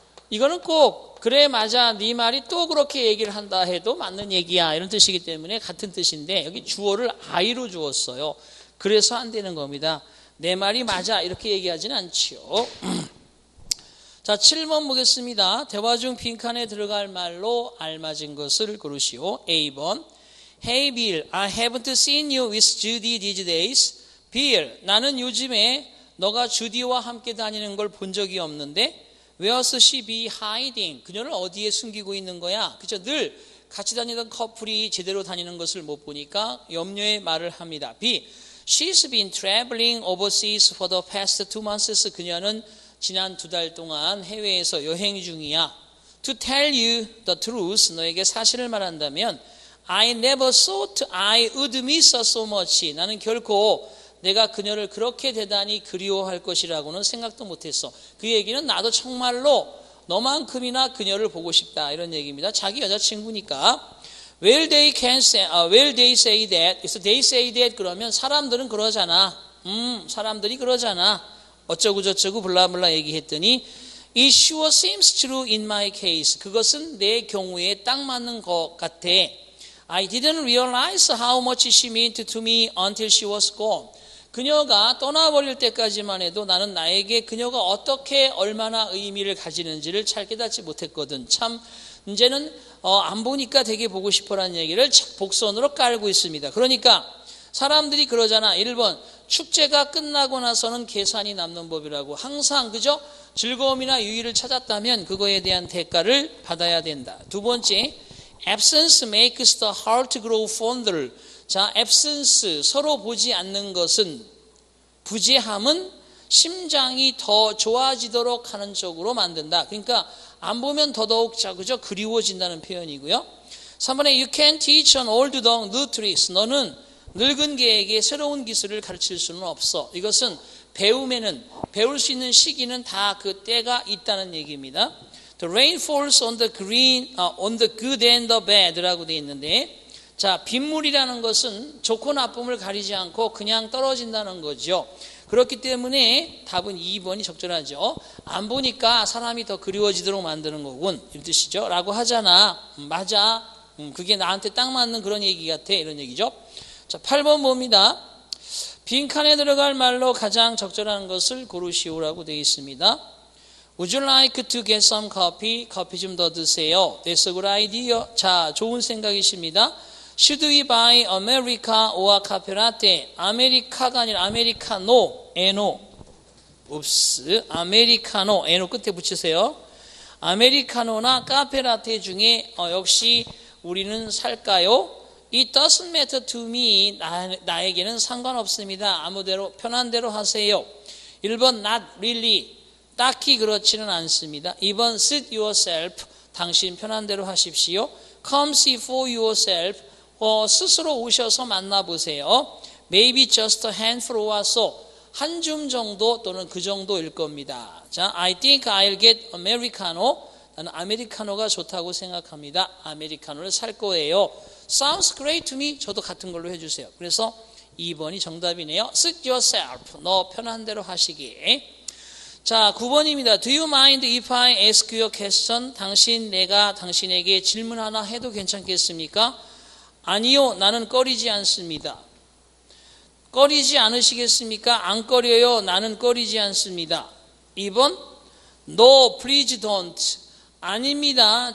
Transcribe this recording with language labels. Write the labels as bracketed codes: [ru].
[ko] 이거는 꼭 그래 맞아 네 말이 또 그렇게 얘기를 한다 해도 맞는 얘기야 이런 뜻이기 때문에 같은 뜻인데 여기 주어를 I로 주었어요. 그래서 안 되는 겁니다. 내 말이 맞아 이렇게 얘기하진 않지요. 자, 7번 보겠습니다. 대화 중 빈칸에 들어갈 말로 알맞은 것을 고르시오. [en] A번 Hey Bill, I haven't seen you with Judy these days. [ko] Bill, 나는 요즘에 너가 주디와 함께 다니는 걸 본 적이 없는데 [en] Where's she be hiding? [ko] 그녀는 어디에 숨기고 있는 거야? 그죠? 늘 같이 다니던 커플이 제대로 다니는 것을 못 보니까 염려의 말을 합니다. B. [en] She's been traveling overseas for the past 2 months. [ko] 그녀는 지난 두 달 동안 해외에서 여행 중이야. [en] To tell you the truth, [ko] 너에게 사실을 말한다면 [en] I never thought I would miss her so much. [ko] 나는 결코 내가 그녀를 그렇게 대단히 그리워할 것이라고는 생각도 못했어. 그 얘기는 나도 정말로 너만큼이나 그녀를 보고 싶다 이런 얘기입니다. 자기 여자친구니까. [en] Well, they can say, well, they say that. So they say that. [ko] 그러면 사람들은 그러잖아. 사람들이 그러잖아. 어쩌고 저쩌고 블라블라 얘기했더니 [en] It sure seems true in my case. [ko] 그것은 내 경우에 딱 맞는 것 같아. [en] I didn't realize how much she meant to me until she was gone. [ko] 그녀가 떠나버릴 때까지만 해도 나는 나에게 그녀가 어떻게 얼마나 의미를 가지는지를 잘 깨닫지 못했거든. 참 이제는 안 보니까 되게 보고 싶어라는 얘기를 복선으로 깔고 있습니다. 그러니까 사람들이 그러잖아. 1번 축제가 끝나고 나서는 계산이 남는 법이라고. 항상 그죠? 즐거움이나 유희를 찾았다면 그거에 대한 대가를 받아야 된다. 두 번째, [en] absence makes the heart grow fonder. [ko] 자, absence, 서로 보지 않는 것은 부재함은 심장이 더 좋아지도록 하는 쪽으로 만든다. 그러니까 안 보면 더더욱 자그죠 그리워진다는 표현이고요. [en] 3번에 You can teach an old dog new tricks. [ko] 너는 늙은 개에게 새로운 기술을 가르칠 수는 없어. 이것은 배움에는, 배울 수 있는 시기는 다 그 때가 있다는 얘기입니다. [en] The rain falls on the green, on the good and the bad [ko] 라고 되어 있는데 자, 빗물이라는 것은 좋고 나쁨을 가리지 않고 그냥 떨어진다는 거죠. 그렇기 때문에 답은 2번이 적절하죠. 안 보니까 사람이 더 그리워지도록 만드는 거군. 이런 뜻이죠. 라고 하잖아. 맞아. 그게 나한테 딱 맞는 그런 얘기 같아. 이런 얘기죠. 자, 8번 봅니다. 빈칸에 들어갈 말로 가장 적절한 것을 고르시오라고 되어 있습니다. [en] Would you like to get some coffee? [ko] 커피 좀 더 드세요. [en] That's a good idea. [ko] 자, 좋은 생각이십니다. [en] Should we buy America or a cafe latte? [ko] 아메리카가 아니라 아메리카노, N-O. 웁스, 아메리카노, N-O 끝에 붙이세요. 아메리카노나 카페 라테 중에 역시 우리는 살까요? [en] It doesn't matter to me. [ko] 나에게는 상관없습니다. 아무대로 편한 대로 하세요. [en] 1번, not really. [ko] 딱히 그렇지는 않습니다. [en] 2번, suit yourself. [ko] 당신 편한 대로 하십시오. [en] Come see for yourself. [ko] 스스로 오셔서 만나보세요. [en] Maybe just a handful or so. [ko] 한 줌 정도 또는 그 정도일 겁니다. [en] 자, I think I'll get Americano. [ko] 나는 아메리카노가 좋다고 생각합니다. 아메리카노를 살 거예요. [en] Sounds great to me. [ko] 저도 같은 걸로 해주세요. 그래서 2번이 정답이네요. [en] Suit yourself. [ko] 너 편한 대로 하시기. 자, 9번입니다. [en] Do you mind if I ask you a question? [ko] 당신, 내가 당신에게 질문 하나 해도 괜찮겠습니까? 아니요, 나는 꺼리지 않습니다. 꺼리지 않으시겠습니까? 안 꺼려요, 나는 꺼리지 않습니다. 2번, [en] No, please don't. [ko] 아닙니다.